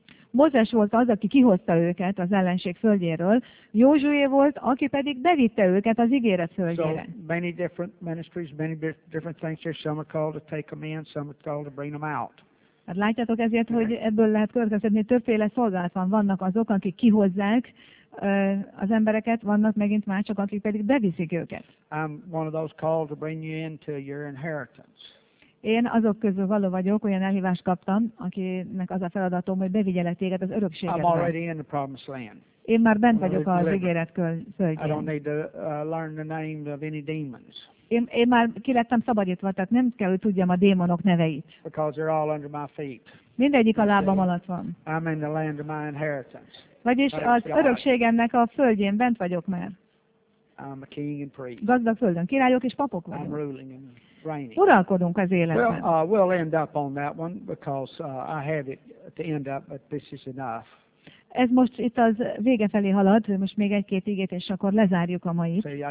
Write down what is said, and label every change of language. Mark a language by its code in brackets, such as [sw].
[hu] Mózes volt az, aki kihozta őket az ellenség földjéről, Józsué volt, aki pedig bevitte őket az ígéret földjére. [en] So many different ministries, many different things here. Some are called to take them in, some are called to bring them out. [hu] Hát látjátok ezért, hogy ebből lehet következtetni, többféle szolgálat van. Vannak azok, akik kihozzák az embereket, vannak megint mások, akik pedig beviszik őket. [en] I'm one of those called to bring you into your inheritance. [hu] Én azok közül való vagyok, olyan elhívást kaptam, akinek az a feladatom, hogy bevigyelek téged az örökségedbe. [en] I'm already in the promised land. [hu] Én már bent vagyok az ígéret földjén. [en] I don't need to learn the names of any demons. [hu] Én már ki lettem szabadítva, tehát nem kell, hogy tudjam a démonok neveit. [en] Because they're all under my feet. [hu] Mindegyik a lábam alatt van. [en] I'm in the land of my inheritance. [hu] Vagyis az örökségemnek a földjén bent vagyok már. [en] I'm a king and priest. [hu] Gazdag földön, királyok és papok vagyunk. [en] I'm ruling and reigning. [hu] Uralkodunk az életben. [en] We'll end up on that one because I have it to end up, but this is enough. [hu] Ez most itt az vége felé halad, most még egy-két ígét, és akkor lezárjuk a mai.